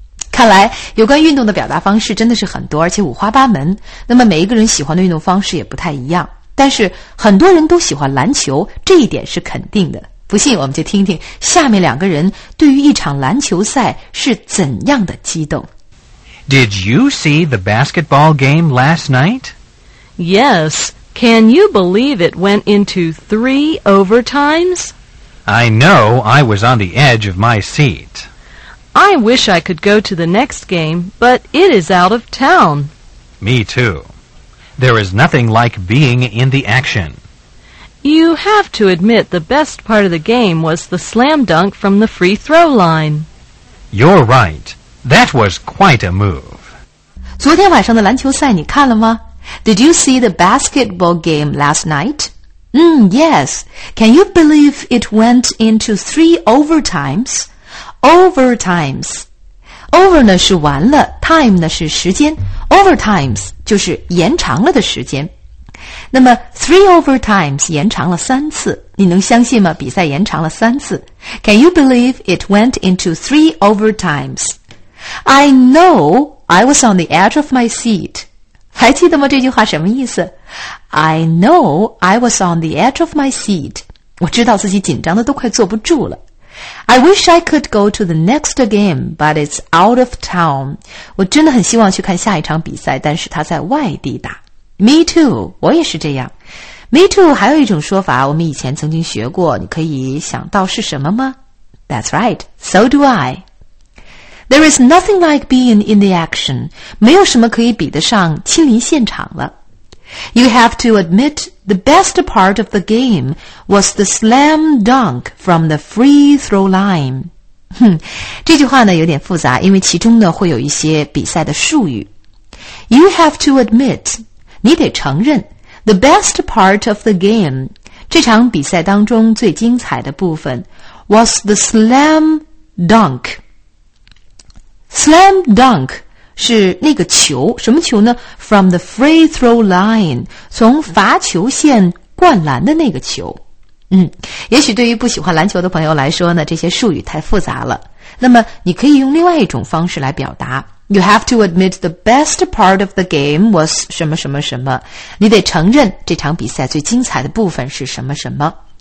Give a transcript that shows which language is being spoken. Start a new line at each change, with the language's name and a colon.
Chinese: 看来有关运动的表达方式真的是很多，而且五花八门。那么每一个人喜欢的运动方式也不太一样，但是很多人都喜欢篮球，这一点是肯定的。不信我们就听听下面两个人对于一场篮球赛是怎样的激动。
English: Did you see the basketball game last night? Yes, can you believe it went into 3 overtimes? I know, I was on the edge of my seat I wish I could go to the next game, but it is out of town. Me too. There is nothing like being in the action. You have to admit the best part of the game was the slam dunk from the free throw line. You're right. That was quite a move.
Chinese: 昨天晚上的篮球赛你看了吗？
English: Did you see the basketball game last night? Yes. Can you believe it went into 3 overtimes?
Chinese: Overtimes. Over 呢是完了， time 呢是时间， overtimes 就是延长了的时间。那么 3 overtimes 延长了三次，你能相信吗？比赛延长了三次。
English: Can you believe it went into 3 overtimes? I know I was on the edge of my seat.
Chinese: 还记得吗？这句话什么意思？
English: I know I was on the edge of my seat.
Chinese: 我知道自己紧张的都快坐不住了。
English: I wish I could go to the next game, but it's out of town.
Chinese: 我真的很希望去看下一场比赛，但是它在外地打。
English: Me too,
Chinese: 我也是这样。 Me too, 还有一种说法，我们以前曾经学过，你可以想到是什么吗？
English: That's right, so do I. There is nothing like being in the action.
Chinese: 没有什么可以比得上亲临现场了。
English: You have to admit... The best part of the game was the slam dunk from the free throw line.
Chinese: 这句话呢有点复杂，因为其中呢会有一些比赛的术语。
English: You have to admit,
Chinese: 你得承认
English: ,the best part of the game,
Chinese: 这场比赛当中最精彩的部分
English: ,was the slam dunk. Slam dunk
Chinese: 是那个球，什么球呢？
English: From the free throw line，
Chinese: 从罚球线灌篮的那个球。嗯，也许对于不喜欢篮球的朋友来说呢，这些术语太复杂了。那么你可以用另外一种方式来表达。
English: You have to admit the best part of the game was
Chinese: 什么什么什么。你得承认这场比赛最精彩的部分是什么什么。